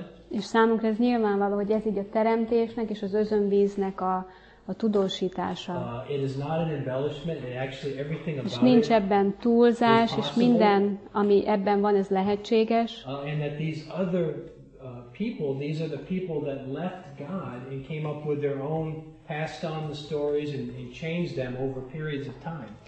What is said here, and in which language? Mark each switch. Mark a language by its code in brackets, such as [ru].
[hu] És számunkra ez nyilvánvaló, hogy ez így a teremtésnek és az özönvíznek a tudósítása. [en] It is not an embellishment, it actually everything about it. [hu] És nincs ebben túlzás, és minden, ami ebben van, ez lehetséges. [en] And that these other people, these are the people that left God and came up with their own, passed on the stories and changed them over periods of time.